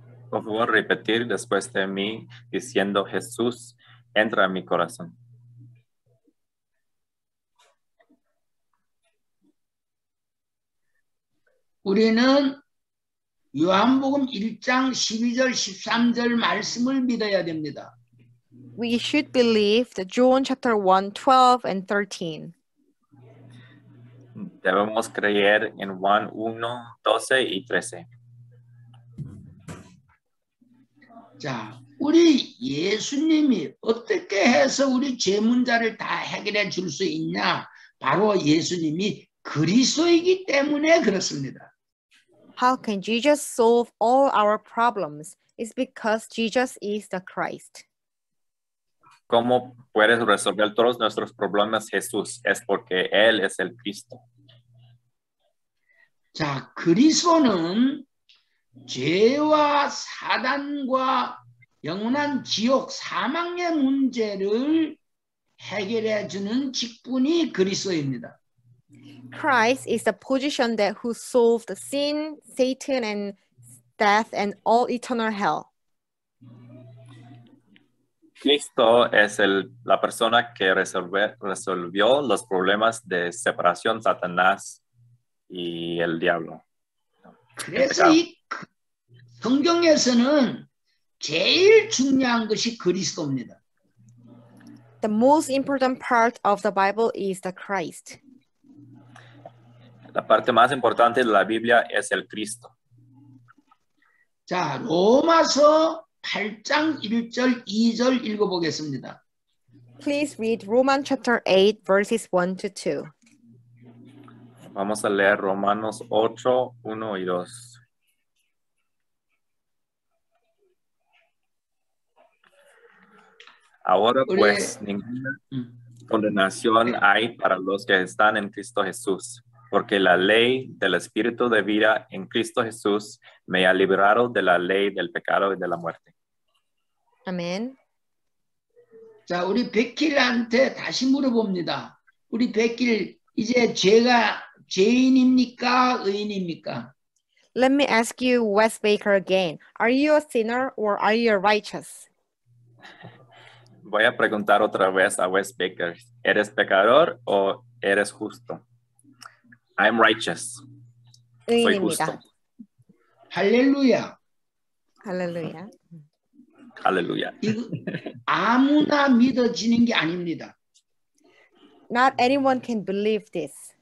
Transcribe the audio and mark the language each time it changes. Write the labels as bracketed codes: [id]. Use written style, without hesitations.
[es] Por favor, repetir después de mí, diciendo, Jesús, entra en mi corazón. Nosotros, [ko] 요한복음 1장 12절, 13절 말씀을 믿어야 됩니다. [en] We should believe the John chapter 1, 12 and 13. [es] Debemos creer en Juan 1, 12 y 13. [ko] 자, 우리 예수님이 어떻게 해서 우리 죄 문제를 다 해결해 줄 수 있냐? 바로 예수님이 그리스도이기 때문에 그렇습니다. [en] How can Jesus solve all our problems? It's because Jesus is the Christ. [es] ¿Cómo puedes resolver todos nuestros problemas, Jesús? Es porque Él es el Cristo. [ko] 자, 그리스도는 죄와 사단과 영원한 지옥 사망의 문제를 해결해 주는 직분이 그리스도입니다. [en] Christ is the position that who solved sin, Satan and death and all eternal hell. [es] Cristo es la persona que resolvió los problemas de separación Satanás y el diablo. [ko] 그래서 이 성경에서는 제일 중요한 것이 그리스도입니다. [en] The most important part of the Bible is the Christ. [es] La parte más importante de la Biblia es el Cristo. [ko] 자, 로마서 8장 1절 2절 읽어 보겠습니다. [en] Please read Romans chapter 8 verses 1 to 2. [es] Vamos a leer Romanos 8, 1 y 2. Ahora pues ninguna condenación hay para los que están en Cristo Jesús, porque la ley del espíritu de vida en Cristo Jesús me ha liberado de la ley del pecado y de la muerte. [en] Amen. [ko] 자, 우리 백길한테 다시 물어봅니다. 우리 백길, 이제 제가 죄인입니까? 의인입니까? [en] Let me ask you, Wes Baker, again. Are you a sinner or are you righteous? [es] Voy a preguntar otra vez a Wes Baker. ¿Eres pecador o eres justo? [en] I'm righteous. [ko] 의인입니다. 할렐루야. 할렐루야. 할렐루야. 아무나 믿어지는 게 아닙니다. [en] Not anyone can believe this.